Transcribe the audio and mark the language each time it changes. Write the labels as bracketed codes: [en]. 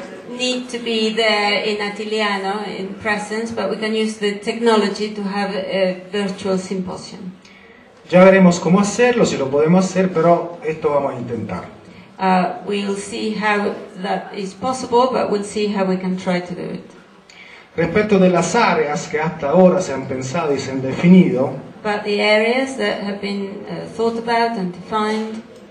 [en] Need to be there in Atiliano in presence, but we can use the technology to have a virtual symposium. [es] Ya veremos cómo hacerlo, si lo podemos hacer, pero esto vamos a intentar. [en] We'll see how that is possible, but we'll see how we can try to do it. [es] Respecto de las áreas que hasta ahora se han pensado y se han definido, [en] but the areas that have been thought about and defined.